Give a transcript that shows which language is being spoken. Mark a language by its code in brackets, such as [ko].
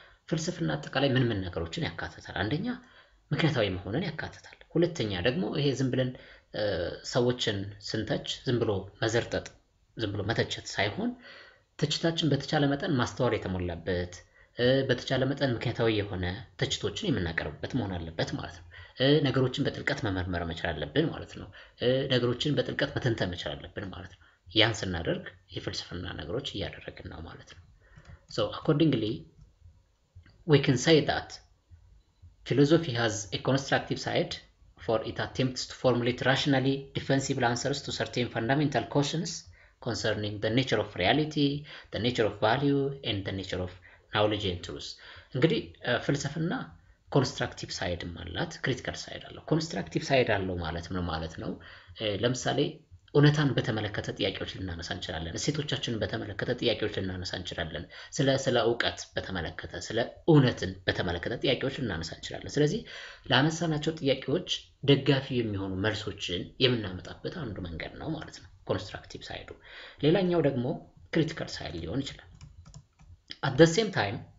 [am] ፍልስፍና አጠቃላይ ምን ምን ነገሮችን ያካትታል? አንደኛ ምክንያታዊ መሆንን ያካትታል። ሁለተኛ ደግሞ ይሄ ዝም ብለን ሰዎችን ስንተች ዝም ብሎ መዘርጠጥ ዝም ብሎ መተቸት ሳይሆን ትችታችን በተቻለ መጠን ማስተዋል የተሞላበት በተቻለ መጠን ምክንያታዊ የሆነ ትችቶችን የምናቀርብበት መሆን አለበት ማለት ነው። ነገሮችን በጥልቀት መመርመር መቻል አለብን ማለት ነው። ነገሮችን በጥልቀት መተንተን መቻል አለብን ማለት ነው። ያን ስናደርግ የፍልስፍና ነገሮች እያደረግን ነው ማለት ነው። [en] So accordingly, we can say that philosophy has a constructive side for it attempts to formulate rationally defensible answers to certain fundamental questions concerning the nature of reality, the nature of value, and the nature of knowledge and truth. [am] እንግዲህ ፍልስፍና constructive side ማለት critical side አለው። constructive side አለው ማለት ምን ማለት ነው? ለምሳሌ እውነታን በተመለከተ ጥያቄዎችን እናነሳ እንችላለን። እሴቶቻችንን በተመለከተ ጥያቄዎችን እናነሳ እንችላለን። ስለ እውቀት በተመለከተ፣ ስለ እውነትን በተመለከተ ጥያቄዎችን እናነሳ እንችላለን። ስለዚህ ላነሳናቸው ጥያቄዎች ደጋፊ የሚሆኑ መልሶችን የምናመጣበት አንዱ መንገድ ነው ማለት ነው ኮንስትራክቲቭ ሳይዱ። ሌላኛው ደግሞ ክሪቲካል ሳይድ ሊሆን ይችላል። [en] At the same time,